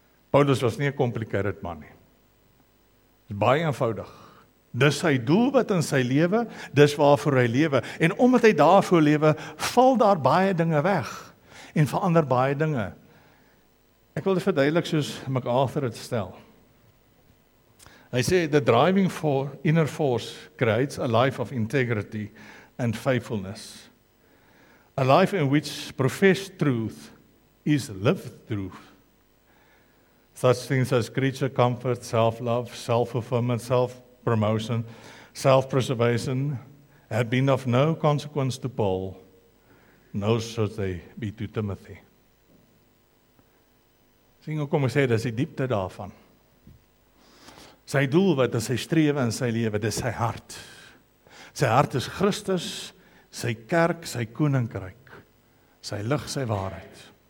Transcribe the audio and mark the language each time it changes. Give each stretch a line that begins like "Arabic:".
Afrikaans: Paulus was nie 'n complicated man nie. Dit is baie eenvoudig. Dis sy doel wat in sy lewe, dis waarvoor hy lewe. En omdat hy daarvoor lewe, val daar baie dinge weg en verander baie dinge. Ek wil dit verduidelik soos MacArthur het stel. Hy sê,
English: the driving inner force creates a life of integrity and faithfulness. A life in which professed truth is lived through. Such things as creature comfort, self-love, self-fulfillment, self-promotion, self-preservation had been of no consequence to Paul, nor should they be to Timothy.
Afrikaans: Sien hoe kom ek sê, dis die diepte daarvan. Sy doel wat is sy strewe in sy lewe, dis sy hart. Sy hart is Christus, sy kerk, sy koninkryk, sy lig, sy waarheid.